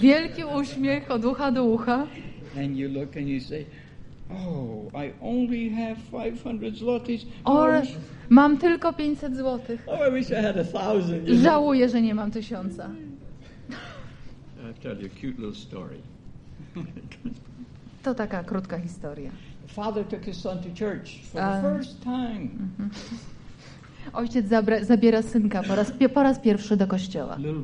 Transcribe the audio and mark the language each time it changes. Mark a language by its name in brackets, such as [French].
[Polish] Wielki uśmiech od ucha do ucha. [English] And you look and you say, oh, I only have 500 zlotys. [Polish] Mam tylko 500 zlotych. [English] Oh, I wish I had 1,000. [Polish] Żałuję, że nie mam 1,000. [English] I tell you a cute little story. [Polish] To taka krótka historia. [English] Father took his son to church for the first time. [Polish] Ojciec zabiera synka po raz pierwszy do kościoła.